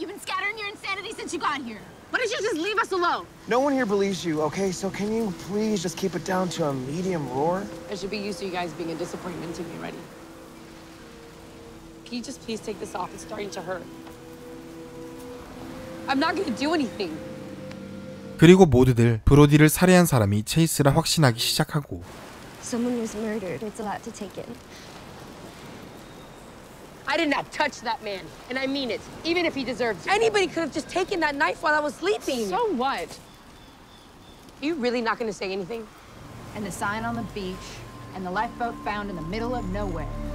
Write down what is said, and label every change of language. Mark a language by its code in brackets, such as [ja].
[en] You've been scattering your insanity since you got here. Why don't you just leave us alone? No one here believes you, okay? So can you please just keep it down to a medium roar? I should be used to you guys being a disappointment to me already. Can you just please take this off? It's starting to hurt. I'm not gonna do anything. [ko] 그리고 모두들 브로디를 살해한 사람이 체이스라 확신하기 시작하고 [en] Someone was murdered. It's a lot to take in. I did not touch that man, and I mean it. Even if he deserves it. Anybody could have just taken that knife while I was sleeping. So what? Are you really not going to say anything? And the sign on the beach, and the lifeboat found in the middle of nowhere.